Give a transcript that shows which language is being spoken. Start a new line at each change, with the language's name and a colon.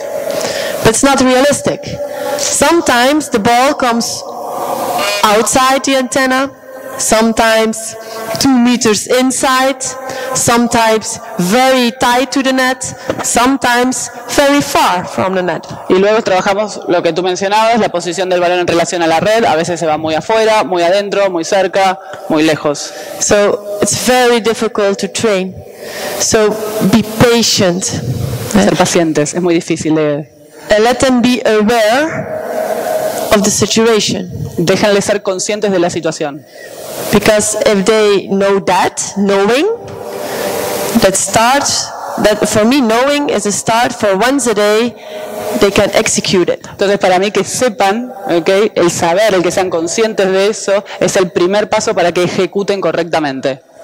English: But it's not realistic. Sometimes the ball comes outside the antenna, sometimes 2 meters inside, sometimes very tight to the net, sometimes very far from the net.
Spanish: Y luego trabajamos lo que tú mencionabas, la posición del balón en relación a la red. A veces se va muy afuera, muy adentro, muy cerca, muy lejos.
English: So it's very difficult to train. So be patient.
Spanish: Ser pacientes, es muy difícil de...
English: And let them be aware of the situation.
Spanish: Déjenles ser conscientes de la situación.
English: Because if they know that, knowing, that starts, that for me, knowing is a start for once a day, they can execute it.
Spanish: Entonces, para mí, que sepan, okay, el saber, el que sean conscientes de eso, es el primer paso para que ejecuten correctamente.